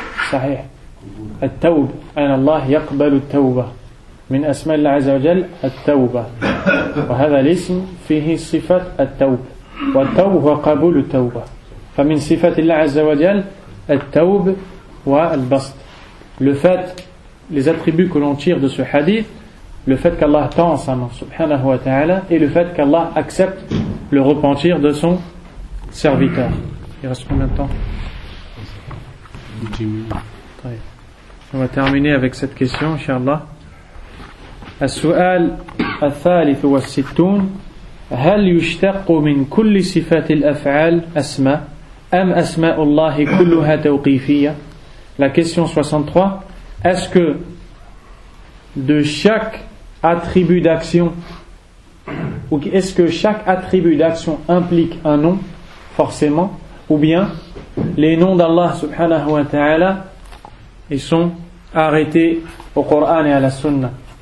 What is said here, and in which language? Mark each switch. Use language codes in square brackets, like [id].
[ar] Sahih. التوب أن الله يقبل التوبة من أسماء الله عز وجل التوبة وهذا الاسم فيه صفة التوب والتوب هو قبول التوبة فمن صفة الله عز وجل التوب والبسط [fr] le fait les attributs que l'on tire de ce hadith le fait qu'Allah tend sa main subhanahu wa ta'ala et le fait qu'Allah accepte le repentir de son serviteur. Il reste combien de temps? 10 minutes. Très bien. On va terminer avec cette question, inshallah. [ar] السؤال الثالث والستون هل يشتق من كل صفات الأفعال أسماء أم أسماء الله كلها توقيفية؟ [fr] La question 63. Est-ce que de chaque attribut d'action ou est-ce que chaque attribut d'action implique un nom forcément ou bien les noms d'Allah subhanahu wa ta'ala ils sont arrêté au Coran et à la Sunna.